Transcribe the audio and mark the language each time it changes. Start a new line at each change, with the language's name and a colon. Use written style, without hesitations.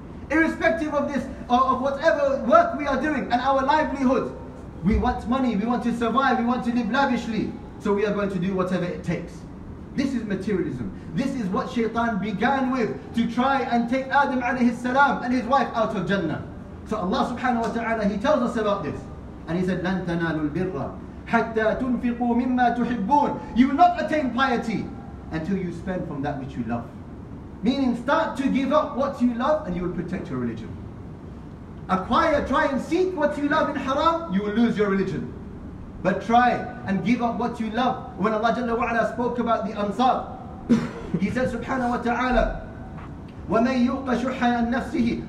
English: Irrespective of this, of whatever work we are doing and our livelihood, we want money, we want to survive, we want to live lavishly. So we are going to do whatever it takes. This is materialism. This is what Shaitan began with to try and take Adam alayhi salam and his wife out of Jannah. So Allah subhanahu wa ta'ala, He tells us about this. And He said,
Arabic: لَن تَنَالُوا الْبِرَّ حَتَّى تُنْفِقُوا مِمَّا تُحِبُّونَ.
English: You will not attain piety until you spend from that which you love. Meaning, start to give up what you love and you will protect your religion. Acquire, try and seek what you love in haram, you will lose your religion. But try and give up what you love. When Allah Jalla wa'ala spoke about the Ansar, He said subhanahu wa ta'ala,
Arabic: وَمَنْ يُوقَ شُحَّ عَنْ نَفْسِهِ.